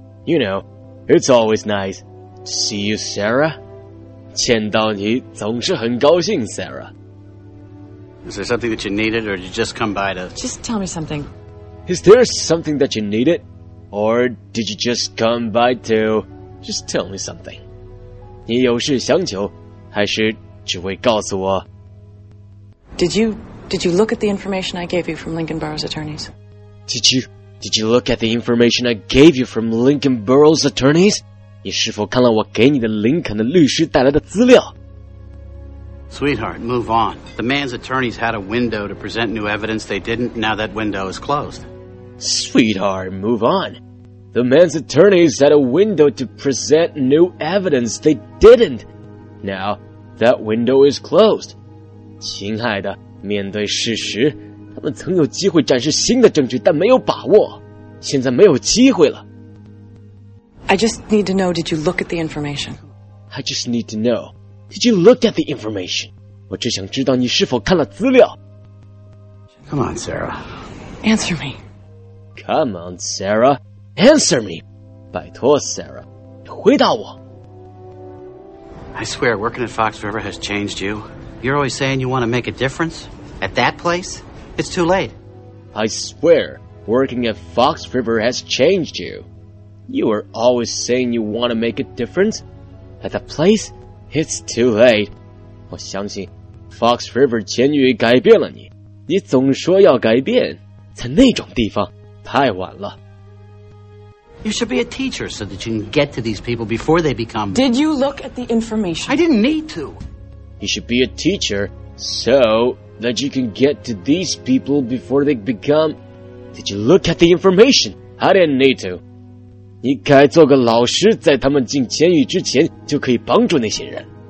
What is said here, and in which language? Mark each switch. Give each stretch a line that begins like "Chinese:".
English: You know, it's always nice to see you, Sarah.
Chinese: 见到你总是很高兴 Sarah.
English: Is there something that you needed, or did you just come by to... Just tell me something. Is there something that you needed, or did you just come by to... Just tell me something.
Chinese: 你有事相求，还是只为告诉我？
English: Did you look at the information I gave you from Lincoln Burrow's attorneys? Did you look at the information I gave you from Lincoln Burrow's attorneys?
Chinese: 你是否看了我给你的林肯的律师带来的资料
English: Sweetheart, move on. The man's attorneys had a window to present new evidence they didn't. Now that window is closed. Sweetheart, move on. The man's attorneys had a window to present new evidence they didn't. Now that window is closed.
Chinese: 亲爱的，面对事实，他们曾有机会展示新的证据，但没有把握。现在没有机会了。
English: I just need to know, did you look at the information? I just need to know, did you look at the information?
Chinese: 我只想知道你是否看了资料。
English: Come on, Sarah. Answer me. Come on, Sarah. Answer me.
Chinese: 拜托 Sarah, 回答我。
English: I swear, working at Fox River has changed you. You're always saying you want to make a difference. At that place, it's too late. I swear, working at Fox River has changed you. You are always saying you want to make a difference. At that place, it's too late.
Chinese: 我相信 Fox River 监狱改变了你。你总说要改变，在那种地方太晚了。
English: You should be a teacher so that you can get to these people before they become... Did you look at the information? I didn't need to. You should be a teacher so that you can get to these people before they become... Did you look at the information? I didn't need to.
Chinese: 你该做个老师，在他们进监狱之前就可以帮助那些人。